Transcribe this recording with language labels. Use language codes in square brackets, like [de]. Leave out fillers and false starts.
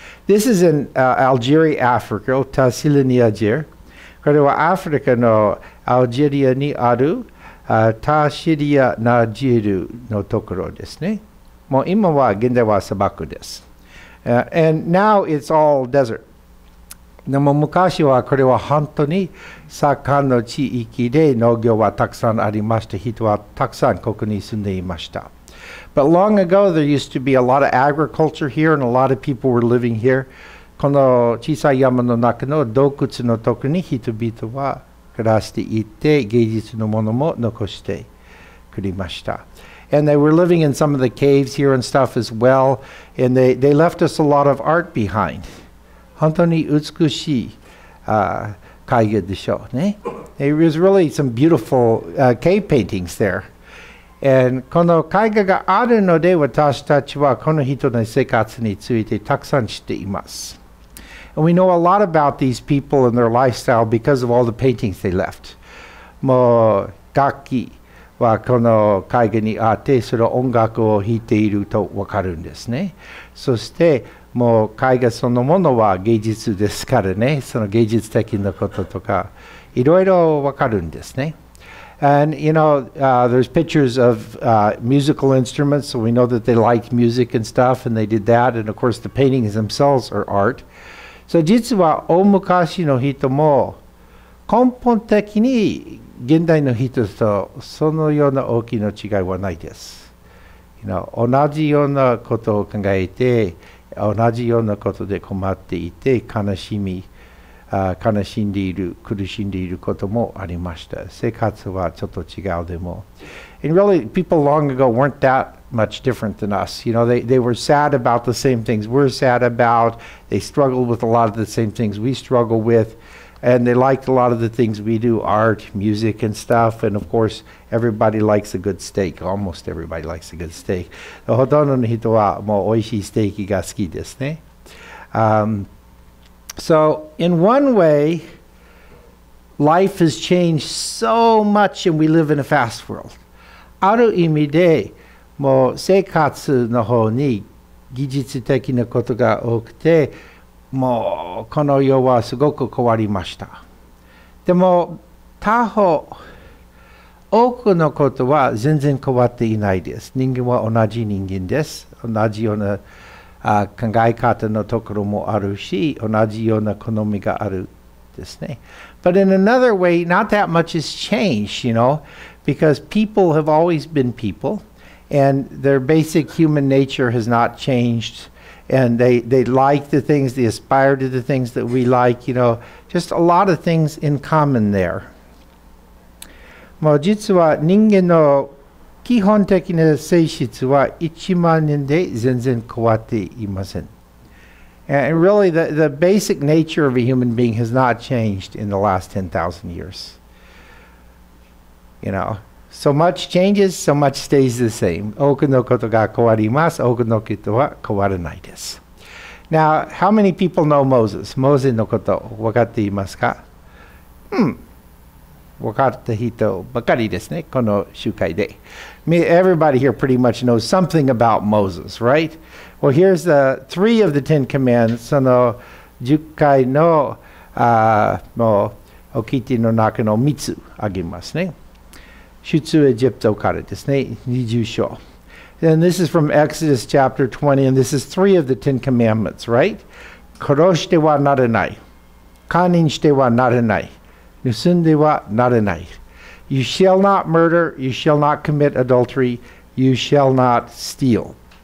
[en] This is in Algeria, Africa, Tassili ni Ajir. [ja] これはアフリカのアルジェリアにあるタシリアナジルのところですね。もう今は現在は砂漠です。 [en] And now it's all desert. [ja] でも昔はこれは本当に盛んの地域で農業はたくさんありました。人はたくさんここに住んでいました。 [en] But long ago, there used to be a lot of agriculture here, and a lot of people were living here. [ja] この小さい山の中の洞窟のところに人々は暮らしていて、芸術のものも残してくれました。 [en] And they were living in some of the caves here and stuff as well. And they left us a lot of art behind. [ja] 本当に美しい絵画でしょうね。 [en] There was really some beautiful cave paintings there. [ja] And この絵画があるので、私たちはこの人の生活についてたくさん知っています。 [en] And we know a lot about these people and their lifestyle because of all the paintings they left. [ja] もう楽器はこの絵画にあって、その音楽を弾いているとわかるんですね。そしてもう絵画そのものは芸術ですからね、その芸術的なこととかいろいろわかるんですね。 [en] And you know, there's pictures of musical instruments, so we know that they liked music and stuff, and they did that. And of course, the paintings themselves are art. [ja] So, 実は大昔の人も根本的に現代の人とそのような大きな違いはないです。 You know, 同じようなことを考えて、同じようなことで困っていて悲しみ。悲しんでいる、苦しんでいることもありました。生活はちょっと違うでも。 [en] And really, people long ago weren't that much different than us. You know, they were sad about the same things we're sad about. They struggled with a lot of the same things we struggle with. And they liked a lot of the things we do, art, music and stuff. And of course, everybody likes a good steak. Almost everybody likes a good steak. [ja] ほとんどの人はもう美味しいステーキが好きですね。 [en] So, in one way, life has changed so much and we live in a fast world. [ja] ある意味で、もう生活の方に技術的なことが多くて、もうこの世はすごく変わりました。でも、他方、多くのことは全然変わっていないです。人間は同じ人間です。同じような考え方のところもあるし、同じような好みがあるですね。 [en] But in another way, not that much has changed, you know, because people have always been people, and their basic human nature has not changed, and they like the things, they aspire to the things that we like, you know, just a lot of things in common there. [ja] もう実は人間の基本的な性質は1万年で全然変わっていません。 [en] And really, the basic nature of a human being has not changed in the last 10,000 years. You know, so much changes, so much stays the same. [ja] 多くのことが変わります。多くのことは変わらないです。 [en] Now, how many people know Moses? [ja] モーゼのこと分かっていますか？分かった人ばかりですね、この集会で。 [en] Everybody here pretty much knows something about Moses, right? Well, here's the three of the Ten Commandments, [ja] その10回の、もう、おきての中の3つあげますね。出エジプトからですね、20章。 [en] And this is from Exodus chapter 20, and this is three of the Ten Commandments, right? [ja] 殺してはならない。堪忍してはならない。盗んではならない。 [en] You shall not murder, you shall not commit adultery, you shall not steal.